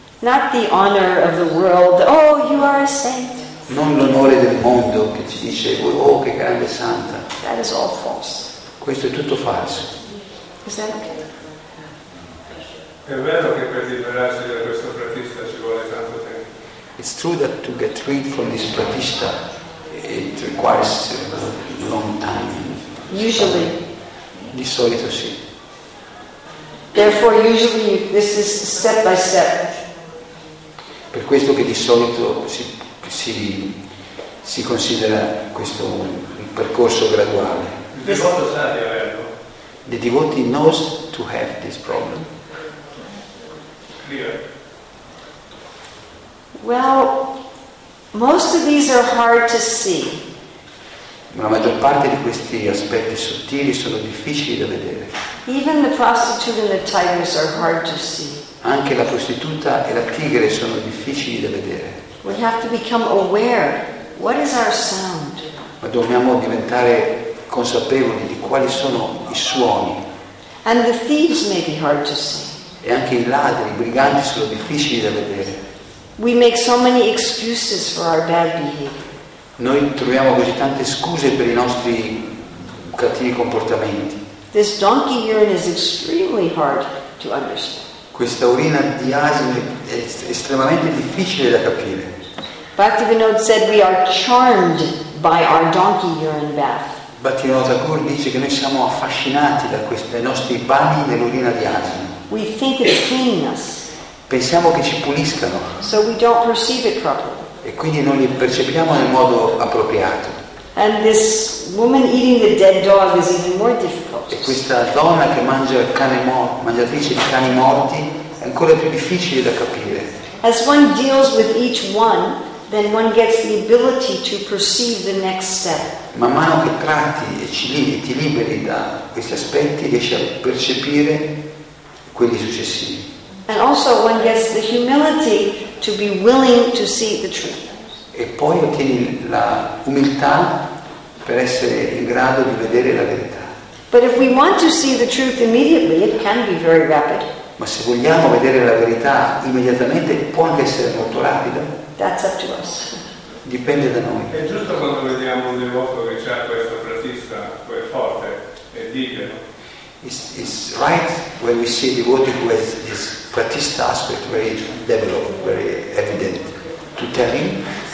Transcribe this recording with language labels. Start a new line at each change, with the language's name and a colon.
English: Not the honor of the world. Oh, you are a saint.
Italian: Non l'onore del mondo che ci dice oh che grande santa.
English: That is all false.
Italian: Questo è tutto falso.
English: Is that okay?
Italian: È vero che per liberarsi da questo pratista ci vuole tanto tempo.
English: It's true that to get rid from this pratista it requires a long time. Usually.
Italian: Di solito sì.
English: Therefore, usually this is step by step.
Italian: Per questo che di solito si considera questo un percorso graduale. The devoto sa di averlo.
English: The devotee knows to have this problem. Clear. Well, most of these are hard to see.
Italian: Ma la maggior parte di questi aspetti sottili sono difficili da vedere.
English: Even the prostitute and the tigress are hard to see.
Italian: Anche la prostituta e la tigre sono difficili da vedere.
English: We have to become aware. What is our sound?
Italian: Ma dobbiamo diventare consapevoli di quali sono i suoni.
English: And the thieves may be hard to see.
Italian: E anche i ladri, i briganti sono difficili da vedere.
English: We make so many excuses for our bad behavior.
Italian: Noi troviamo così tante scuse per i nostri cattivi comportamenti.
English: This donkey urine is extremely hard to understand.
Italian: Questa urina di asino è estremamente difficile da capire.
English: Bhaktivinoda said we are charmed by our donkey urine bath.
Italian: Bhaktivinoda Thakur dice che noi siamo affascinati da questi nostri bagni nell'urina di asino.
English: We think it's cleaning us.
Italian: Pensiamo che ci puliscano.
English: So we don't perceive it properly.
Italian: E quindi non li percepiamo nel modo appropriato.
English: And this woman eating the dead dog is even more difficult.
Italian: E questa donna che mangia il cane mangiatrice di cani morti è ancora più difficile da capire.
English: As one deals with each one, then one gets the ability to perceive the next step.
Italian: Man mano che tratti e ti liberi da questi aspetti, riesci a percepire quelli successivi.
English: And also one gets the humility to be willing to see the truth.
Italian: E poi ottieni la umiltà per essere in grado di vedere la verità.
English: But if we want to see the truth immediately, it can be very rapid.
Italian: Ma se vogliamo vedere la verità immediatamente, può anche essere molto rapida.
English: That's up to us.
Italian: Dipende da noi. È giusto quando vediamo un devoto che c'ha questo pratista, quel forte, e dice.
English: It's right when we see a devotee who has this pratista aspect very developed, very evident, to tell him.